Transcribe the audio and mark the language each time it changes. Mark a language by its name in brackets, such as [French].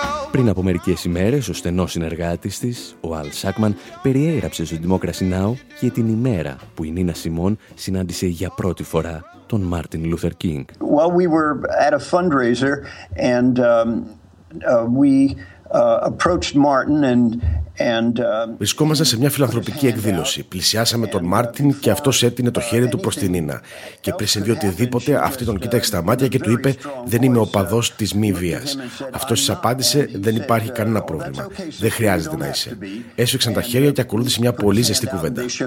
[Greek] Πριν από μερικές ημέρες, ο στενός συνεργάτης της, ο Al Sackman, περιέγραψε στο Democracy Now και την ημέρα που η Νίνα Σιμών συνάντησε για πρώτη φορά τον Μάρτιν Λούθερ Κίνγκ. [English] While we were at a fundraiser and we approached Martin and [Greek] βρισκόμαστε σε μια φιλανθρωπική εκδήλωση. Πλησιάσαμε τον Μάρτιν και αυτός έτεινε το χέρι του προς την Νίνα. Και πριν συμβεί οτιδήποτε, αυτή τον κοίταξε στα μάτια και του είπε: «Δεν είμαι οπαδός της μη βίας». Αυτός της απάντησε: «Δεν υπάρχει κανένα πρόβλημα. Δεν χρειάζεται να είσαι». Έσφιξαν τα χέρια και ακολούθησε μια πολύ ζεστή κουβέντα.